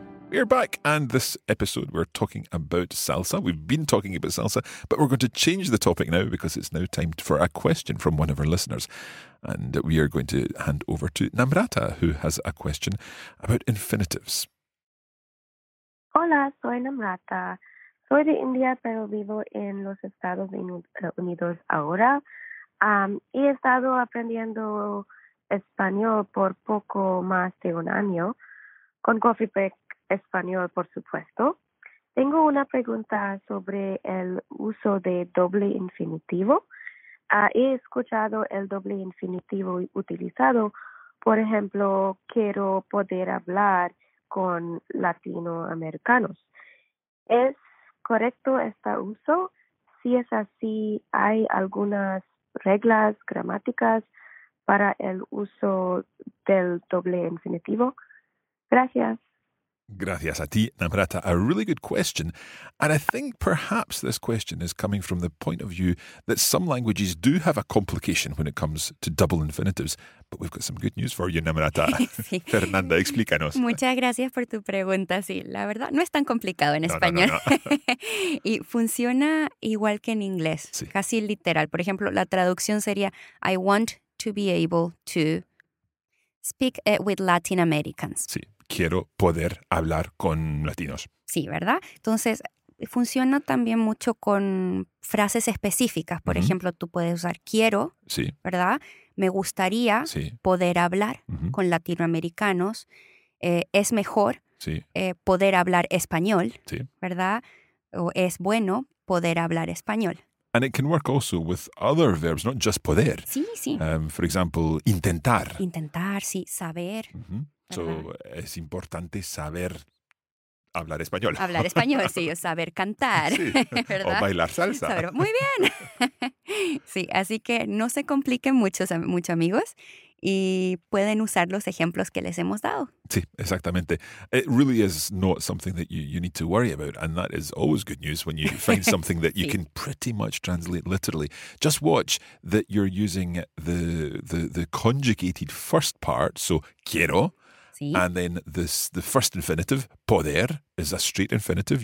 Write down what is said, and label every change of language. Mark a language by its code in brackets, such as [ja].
[en] We're back, and this episode we're talking about salsa. We've been talking about salsa, but we're going to change the topic now because it's now time for a question from one of our listeners. And we are going to hand over to Namrata, who has a question about infinitives. [es] Hola, soy Namrata. Soy de India, pero vivo en los Estados Unidos ahora. Y he estado aprendiendo español por poco más de un año con Coffee Break. Español, por supuesto. Tengo una pregunta sobre el uso de doble infinitivo. He escuchado el doble infinitivo utilizado, por ejemplo, quiero poder hablar con latinoamericanos. ¿Es correcto este uso? Si es así, ¿hay algunas reglas gramáticas para el uso del doble infinitivo? Gracias. Gracias a ti, [en] Namrata. A really good question. And I think perhaps this question is coming from the point of view that some languages do have a complication when it comes to double infinitives. But we've got some good news for you, Namrata. [es] Sí. Fernanda, explícanos. Muchas gracias por tu pregunta. Sí, la verdad, no es tan complicado en español. No. Y funciona igual que en inglés, sí. Casi literal. Por ejemplo, la traducción sería, [en] I want to be able to speak with Latin Americans. [es] Sí. Quiero poder hablar con latinos. Sí, ¿verdad? Entonces, funciona también mucho con frases específicas. Por ejemplo, tú puedes usar quiero, sí. ¿Verdad? Me gustaría sí. poder hablar con latinoamericanos. Es mejor sí. Poder hablar español, sí. ¿Verdad? O es bueno poder hablar español. [en] And it can work also with other verbs, not just poder. [es] Sí, sí. [en] For example, intentar. [es] Intentar, sí. Saber. Mm-hmm. So, es importante saber hablar español. Hablar español, sí, o saber cantar, sí. ¿Verdad? O bailar salsa. Saber, muy bien. Sí, así que no se compliquen mucho, amigos, y pueden usar los ejemplos que les hemos dado. Sí, exactamente. [en] It really is not something that you need to worry about, and that is always good news when you find something that you [es] sí. [en] can pretty much translate literally. Just watch that you're using the conjugated first part, so quiero. Sí. And then the first infinitive, poder, is a straight infinitive.